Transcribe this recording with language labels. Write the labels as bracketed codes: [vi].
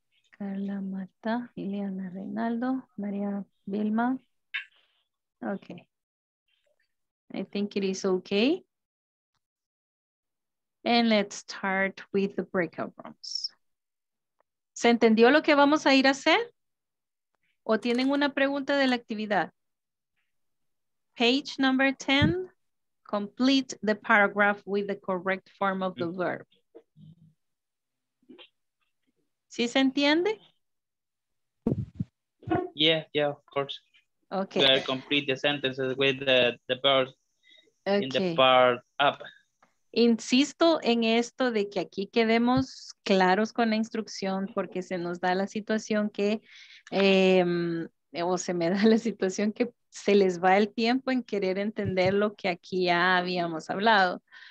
[en] Carla Mata, Liliana Reinaldo, María Vilma. Okay. I think it is okay. And let's start with the breakout rooms. [es] ¿Se entendió lo que vamos a ir a hacer? ¿O tienen una pregunta de la actividad? [en] Page number 10, complete the paragraph with the correct form of the verb. [es] ¿Sí se entiende? [en] Yeah, of course. Okay. We are complete the sentences with the verb okay. In the part up. [es] Insisto en esto de que aquí quedemos claros con la instrucción porque se nos da la situación que, o se me da la situación que se les va el tiempo en querer entender lo que aquí ya habíamos hablado.